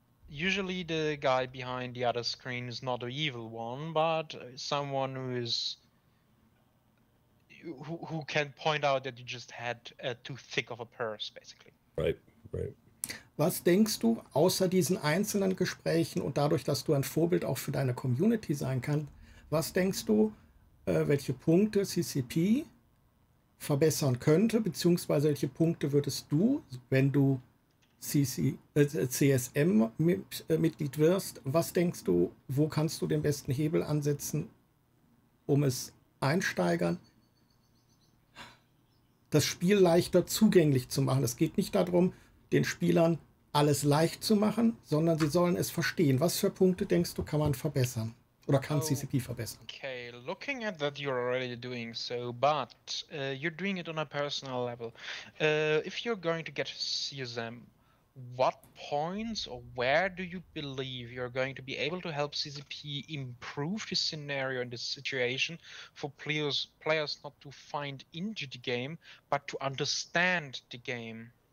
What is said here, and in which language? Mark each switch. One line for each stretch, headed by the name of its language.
English: Usually the guy behind the other screen is not the evil one, but someone who can point out that you just had too thick of a purse, basically. Right, right.
German: Was denkst du, außer diesen einzelnen Gesprächen und dadurch, dass du ein Vorbild auch für deine Community sein kannst, was denkst du, welche Punkte CCP verbessern könnte, beziehungsweise welche Punkte würdest du, wenn du CSM-Mitglied wirst, was denkst du, wo kannst du den besten Hebel ansetzen, um es einsteigern, das Spiel leichter zugänglich zu machen? Es geht nicht darum, den Spielern alles leicht zu machen, sondern sie sollen es verstehen. Was für Punkte, denkst du, kann man verbessern? Oder kann CCP verbessern?
English: Okay, looking at that, you're already doing so, but you're doing it on a personal level. If you're going to get CSM, what points or where do you believe you're going to be able to help CCP improve the scenario and the situation for players not to find into the game, but to understand the game?